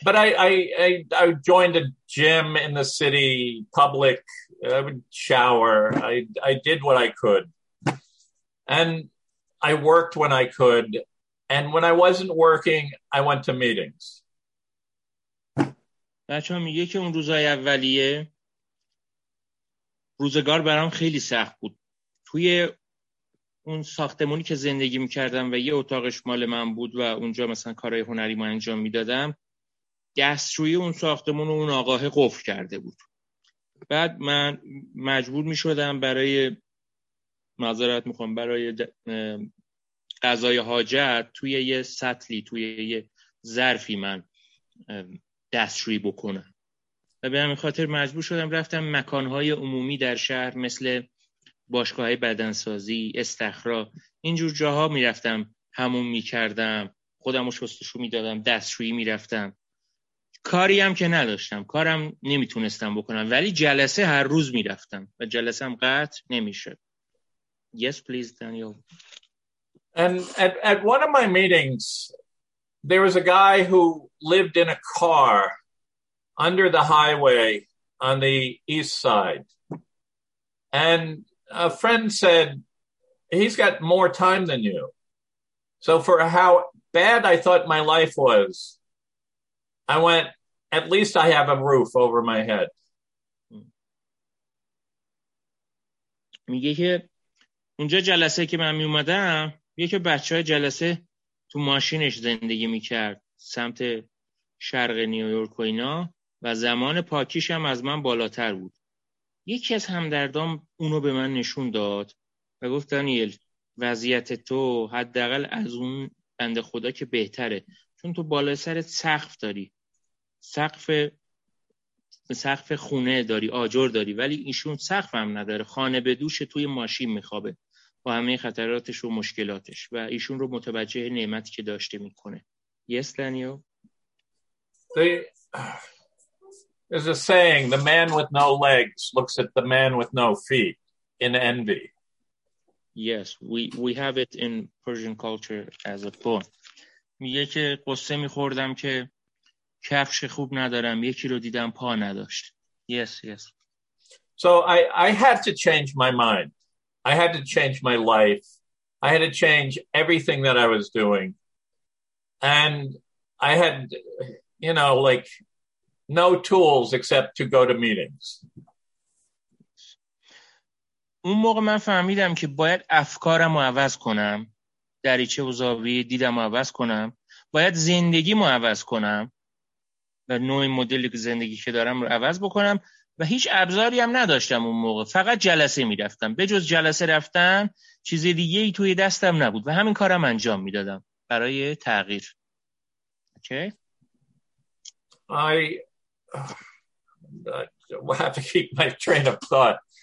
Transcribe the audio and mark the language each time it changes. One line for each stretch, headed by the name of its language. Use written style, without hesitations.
English: But I joined a gym in the city, public. I would shower. I did what I could, and I worked when I could. And when I wasn't working, I went to meetings.
Persian: بچه ها میگه که اون روزهای اولیه روزگار برام خیلی سخت بود. توی اون ساختمونی که زندگی میکردم و یه اتاقش مال من بود و اونجا مثلا کارهای هنری ما انجام میدادم، دستروی اون ساختمون اون آقاه قفل کرده بود. بعد من مجبور میشدم برای معذرت میخوام برای قضای حاجت توی یه سطلی توی یه ظرفی من دستشویی بکنم و به همین خاطر مجبور شدم رفتم مکانهای عمومی در شهر مثل باشگاه بدنسازی، استخرا، اینجور جاها میرفتم، حموم میکردم، خودم رو شستشو میدادم، دستشویی میرفتم. کاری هم که نداشتم، کارم نمیتونستم بکنم، ولی جلسه هر روز میرفتم و جلسه هم قطع نمیشد.
English: Yes please Daniel. And at one of my meetings, there was a guy who lived in a car under the highway on the east side. And a friend said, he's got more time than you. So for how bad I thought my life was, I went, at least I have a roof over my head.
Persian: میگه که اونجا جلسه که من میومدم، یکی بچه‌های جلسه تو ماشینش زندگی میکرد سمت شرق نیویورک و اینا، و زمان پاکیش هم از من بالاتر بود. یکی از همدردان اونو به من نشون داد و گفت دانیل وضعیت تو حداقل از اون بنده خدا که بهتره، چون تو بالای سرت سقف داری، سقف خونه داری، آجر داری، ولی ایشون سقف هم نداره، خانه به دوش توی ماشین میخوابه با همه خطراتش و مشکلاتش، و ایشون رو متوجه نعمتی که داشته میکنه.
English: Yes, Daniel. There's a saying, the man with no legs looks at the man with no feet in envy. Yes, we have it in Persian culture as a poem.
Persian: میگه که قصه میخوردم که کفش خوب ندارم، یکی رو دیدم پا نداشت.
English: Yes, yes. So I had to change my mind. I had to change my life. I had to change everything that I was doing. And I had, you know, like no tools except to go to meetings.
Persian: اون موقع من فهمیدم که باید افکارم رو عوض کنم، دریچه و زاویه دیدم رو عوض کنم، باید زندگی رو عوض کنم و نوع مدلی که زندگی که دارم رو عوض بکنم، و هیچ ابزاری هم نداشتم اون موقع، فقط جلسه می رفتم. به جز جلسه رفتن چیز دیگه ای توی دستم نبود و همین کارم انجام می دادم برای تغییر.
English: Okay? I have to keep my train of thought.